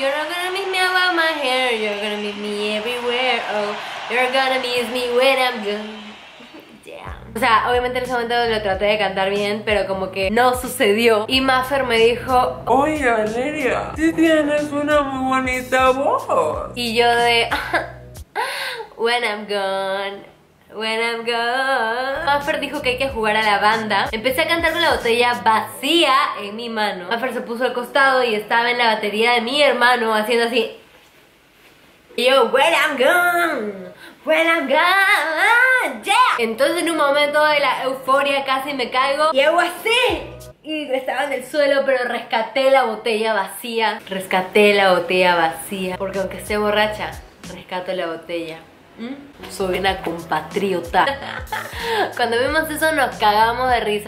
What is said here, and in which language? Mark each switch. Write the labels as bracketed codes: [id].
[en] You're not gonna miss me about my hair. You're gonna miss me everywhere. Oh, you're gonna miss me when I'm gone. [es] O sea, obviamente en ese momento lo traté de cantar bien, pero como que no sucedió. Y Maffer me dijo: oye, Valeria, sí tienes una muy bonita voz. Y yo de... [en] When I'm gone, when I'm gone. [es] Maffer dijo que hay que jugar a la banda. Empecé a cantar con la botella vacía en mi mano. Maffer se puso al costado y estaba en la batería de mi hermano haciendo así. Y yo, [en] when I'm gone, when I'm gone, yeah. [es] Entonces en un momento de la euforia casi me caigo y hago así. Y estaba en el suelo, pero rescaté la botella vacía. Rescaté la botella vacía. Porque aunque esté borracha, rescato la botella. Soy una compatriota. Cuando vimos eso nos cagamos de risa.